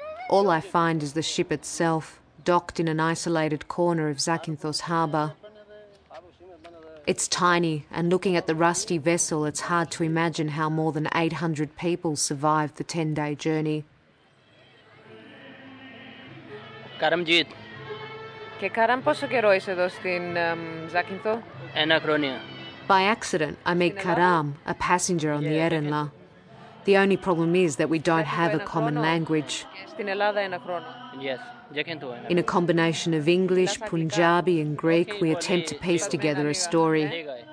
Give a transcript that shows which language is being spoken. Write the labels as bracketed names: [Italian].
[English] All I find is the ship itself, docked in an isolated corner of Zakynthos harbour. It's tiny, and looking at the rusty vessel, it's hard to imagine how more than 800 people survived the 10-day journey. Karamjit. [Greek] Και Karam, πόσο καιρό είσαι εδώ στην Ζάκυνθο? Ένα χρόνια. [English] By accident, I meet Karam, a passenger on the Erenla. The only problem is that we don't have a common language. [Greek] Στην Ελλάδα ένα χρόνο. [English] Yes. In a combination of English, Punjabi and Greek, we attempt to piece together a story.